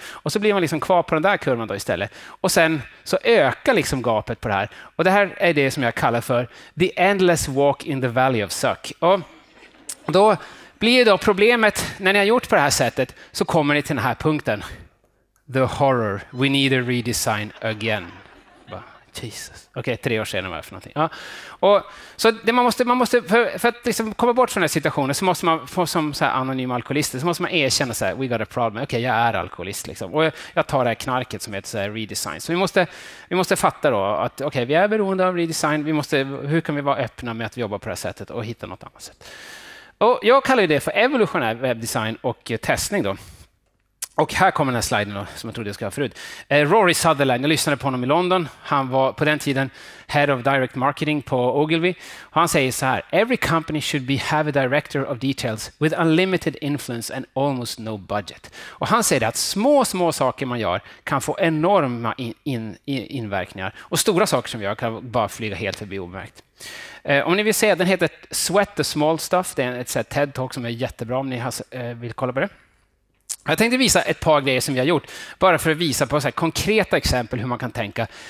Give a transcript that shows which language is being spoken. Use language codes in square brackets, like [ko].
[sv] Och så blir man liksom kvar på den där kurvan då istället. Och sen så ökar liksom gapet på det här. Och det här är det som jag kallar för [en] the endless walk in the valley of suck. [sv] Och då blir då problemet när ni har gjort på det här sättet så kommer ni till den här punkten. [en] The horror. We need a redesign again. Jesus. [sv] Okej, okay, 3 år senare var det för någonting. Ja. Och så det man måste för att liksom komma bort från den här situationen så måste man få som så här anonym alkoholist så måste man erkänna så här [en] we got a problem. [sv] Okej, okay, jag är alkoholist liksom. Och jag tar det här knarket som heter så här redesign. Så vi måste fatta då att okej, vi är beroende av redesign. Hur kan vi vara öppna med att vi jobbar på det här sättet och hitta något annat sätt? Och jag kallar det för evolutionär webbdesign och testning då. Och här kommer den här sliden då, som jag trodde jag skulle ha förut. Rory Sutherland, jag lyssnade på honom i London. Han var på den tiden [en] head of direct marketing [sv] på Ogilvy. Och han säger så här. [en] Every company should have a director of details with unlimited influence and almost no budget. [sv] Och han säger att små saker man gör kan få enorma inverkningar. Och stora saker som vi gör kan bara flyga helt förbi obemärkt. Om ni vill se, den heter [en] Sweat the Small Stuff. [sv] Det är ett TED-talk som är jättebra om ni vill kolla på det. Jag tänkte visa ett par grejer som vi har gjort bara för att visa på så här konkreta exempel hur man kan tänka.